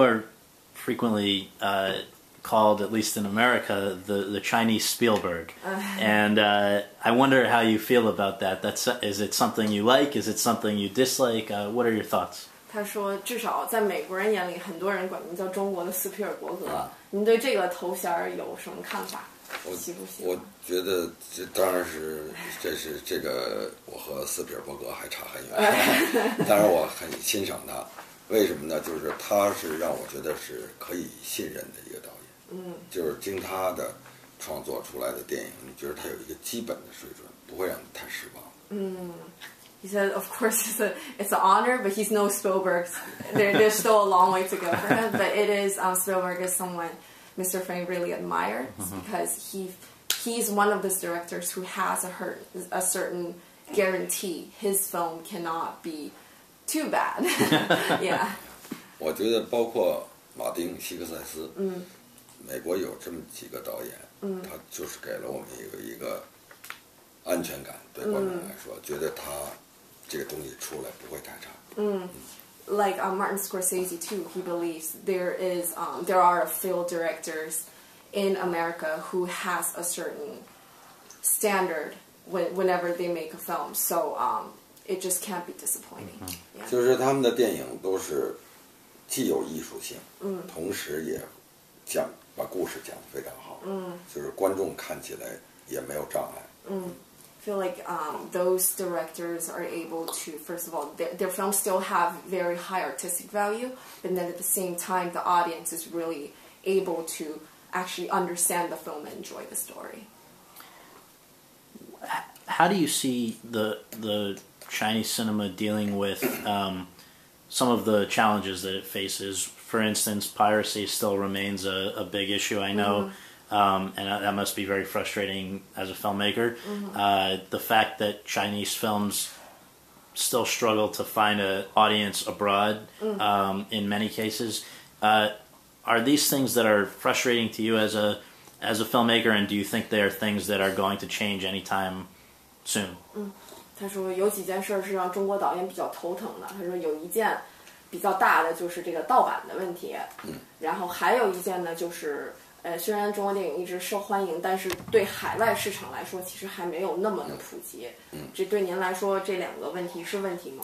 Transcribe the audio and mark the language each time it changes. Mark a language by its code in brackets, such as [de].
[en] are frequently called, at least in America, the Chinese Spielberg. And I wonder how you feel about that. Is it something you like? Is it something you dislike? What are your thoughts? [zh] 他说至少在美国人眼里很多人管他们叫中国的斯皮尔伯格。您对这个头衔有什么看法？我觉得这当然是这个我和斯皮尔伯格还差很远。当然我很欣赏他，为什么呢？就是他是让我觉得是可以信任的一个导演。嗯，就是经他的创作出来的电影，你觉得他有一个基本的水准，不会让你太失望。嗯。 [en] He said, of course, it's an honor, but he's no Spielberg. There's still a long way to go for him. But it is, Spielberg is someone Mr. Feng really admired, mm-hmm. because he's one of those directors who has a certain guarantee his film cannot be too bad. Yeah. [zh] 我觉得包括马丁·希克塞斯，嗯，美国有这么几个导演，嗯，他就是给了我们一个安全感，对观众来说，觉得他。这个东西出来不会太差。 [en] Like Martin Scorsese too, he believes there are a few directors in America who has a certain standard whenever they make a film. So it just can't be disappointing.、Mm-hmm. Yeah. [zh] 就是他们的电影都是既有艺术性，同时也讲把故事讲得非常好，就是观众看起来也没有障碍， [en] Feel like those directors are able to, first of all, their films still have very high artistic value, but then at the same time, the audience is really able to actually understand the film and enjoy the story. How do you see the Chinese cinema dealing with some of the challenges that it faces? For instance, piracy still remains a big issue, I know. Mm-hmm. And that must be very frustrating as a filmmaker. Mm-hmm. The fact that Chinese films still struggle to find an audience abroad, in many cases, are these things that are frustrating to you as a as a filmmaker, and do you think there are things that are going to change anytime soon? [zh] 他说有几件事是让中国导演比较头疼的。他说有一件比较大的就是这个盗版的问题，然后还有一件呢就是虽然中国电影一直受欢迎，但是对海外市场来说其实还没有那么的普及。这对您来说这两个问题是问题吗？